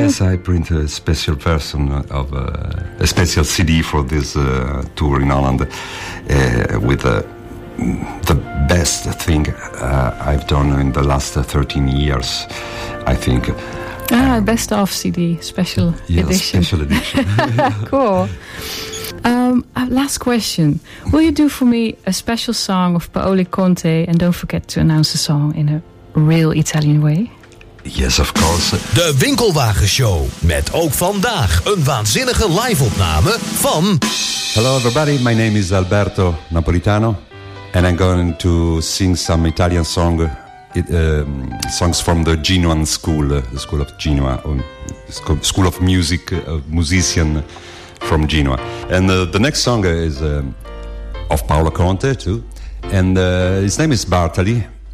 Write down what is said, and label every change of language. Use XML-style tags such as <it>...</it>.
<en>Yes, I print a special version of a special CD for this tour in Holland with the best thing I've done in the last 13 years, I think. Ah, best of CD, special edition. Yeah, special edition. Cool. Last question. Will you do for me a special song of Paolo Conte, and don't forget to announce the song in a real Italian way? Yes, of course.</en> <nl>De Winkelwagenshow, met ook vandaag een waanzinnige live-opname van...</nl> <en>Hello everybody, my name is Alberto Napolitano, and I'm going to sing some Italian song, songs from the Genoan School, the School of Genoa, School of Music, musician from Genoa. And the next song is of Paolo Conte, too, and his name is Bartali.</en>